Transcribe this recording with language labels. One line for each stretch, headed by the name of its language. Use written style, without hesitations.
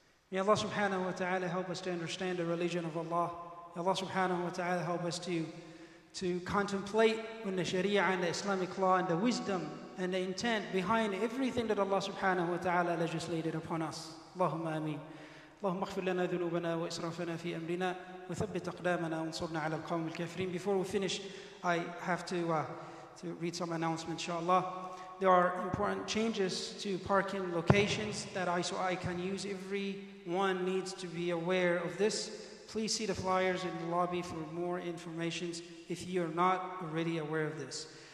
English: May Allah subhanahu wa ta'ala help us to understand the religion of Allah. May Allah subhanahu wa ta'ala help us to contemplate when the Sharia and the Islamic law and the wisdom and the intent behind everything that Allah subhanahu wa ta'ala legislated upon us. Allahumma ameen.
Arabic: اللهم اغفر لنا ذنوبنا وإسرافنا في أمرنا وثبت أقدامنا وانصرنا على القوم الكافرين.
English: Before we finish, I have to read some announcements, inshallah. There are important changes to parking locations that ICOI can use. Everyone needs to be aware of this. Please see the flyers in the lobby for more information if you are not already aware of this.